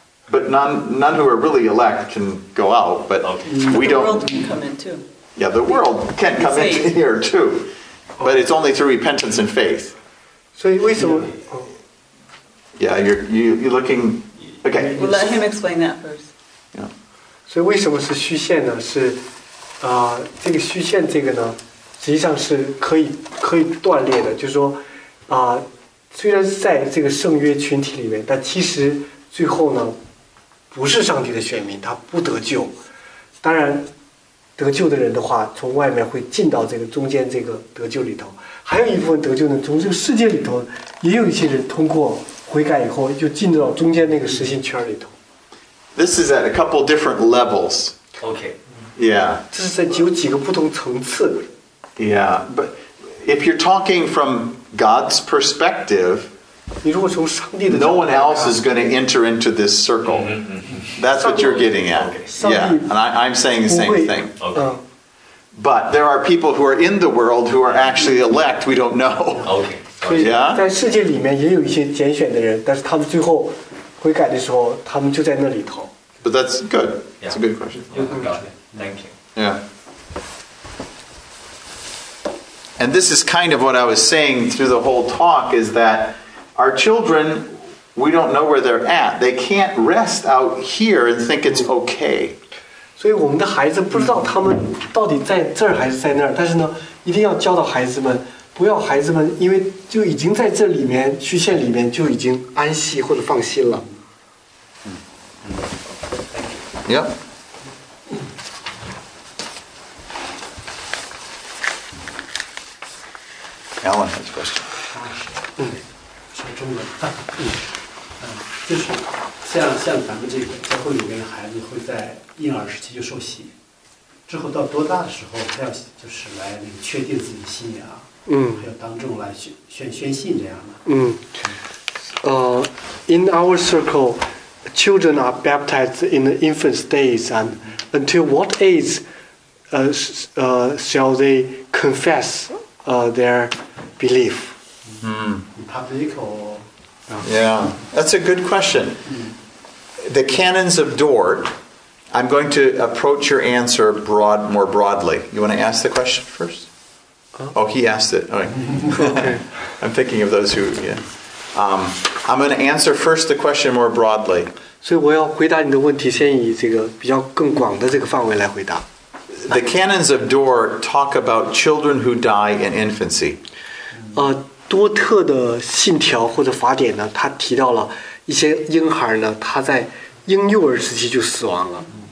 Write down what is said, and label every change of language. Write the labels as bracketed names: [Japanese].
[English] But none who are really elect can go out. But okay. We the don't. The world can come in too. Yeah, the world can come in here too. But it's only through repentance and faith. So wait, so. Yeah, you're looking. Okay. Well, let him explain that first. [Chinese] 所以为什么是虚线呢？是，这个虚线这个呢，实际上是可以断裂的。就是说，虽然在这个圣约群体里面，但其实最后呢，不是上帝的选民，他不得救。当然，得救的人的话，从外面会进到这个中间这个得救里头。还有一部分得救呢，从这个世界里头，也有一些人通过悔改以后，就进到中间那个实心圈里头。 [English] This is at a couple different levels. Okay. Yeah. [Chinese] 这是在有几个不同层次。 [English] Yeah, but if you're talking from God's perspective, [Chinese] 你如果从上帝的 [English] no one else is going to enter into this circle. That's what you're getting at. Okay. Yeah, and I'm saying the same thing. Okay. But there are people who are in the world who are actually elect. We don't know. Okay. Yeah. [Chinese] 在世界里面也有一些拣选的人，但是他们最后。悔改的时候，他们就在那里头。 [English] But that's good. That's a good question. You got it. Thank you. Yeah. And this is kind of what I was saying through the whole talk is that our children, we don't know where they're at. They can't rest out here and think it's okay. [Chinese] 所以我们的孩子不知道他们到底在这儿还是在那儿，但是呢，一定要教导孩子们。不要孩子们，因为就已经在这里面虚线里面就已经安息或者放心了。 Yep. [English] Alan has a question. [Chinese] 说中文。就是像咱们这个教会里面的孩子会在婴儿时期就受洗，之后到多大的时候他要就是来那个确定自己信仰。嗯，还有当众来宣信这样的。嗯， [English] in our circle, children are baptized in the infant stage, and until what age shall they confess their belief? Mm. Public or? Yeah, that's a good question. Mm. The canons of Dort, I'm going to approach your answer more broadly. You want to ask the question first? Oh, he asked it. Okay. Okay. I'm thinking of those who, yeah. I'm going to answer first the question more broadly. [Chinese] 所以我要回答你的问题，先以这个比较更广的这个范围来回答。 [English] The canons of Dort talk about children who die in infancy. [Chinese] 多特的信条或者法典呢，他提到了一些婴孩呢，他在婴幼儿时期就死亡了。